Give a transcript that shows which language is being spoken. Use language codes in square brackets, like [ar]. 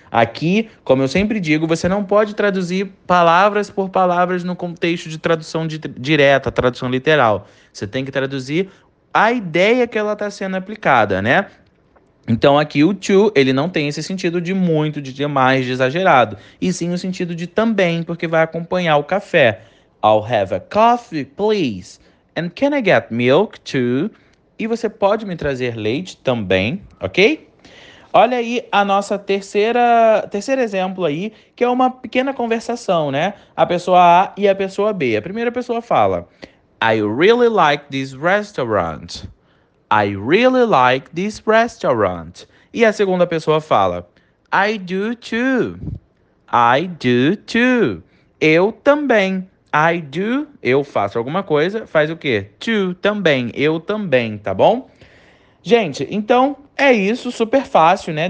[pt] Aqui, como eu sempre digo, você não pode traduzir palavras por palavras no contexto de tradução direta, tradução literal. Você tem que traduzir a ideia que ela está sendo aplicada, né? Então, aqui o to, ele não tem esse sentido de muito, de demais, de exagerado. E sim o sentido de também, porque vai acompanhar o café. [en] I'll have a coffee, please. And can I get milk, too? [pt] E você pode me trazer leite também, ok? Olha aí a nossa terceiro exemplo aí, que é uma pequena conversação, né? A pessoa A e a pessoa B. A primeira pessoa fala, [en] I really like this restaurant. [pt] I really like this restaurant. E a segunda pessoa fala, [en] I do too. I do too. [pt] Eu também. I do, eu faço alguma coisa, faz o quê? To, também, eu também, tá bom? Gente, então é isso, super fácil, né?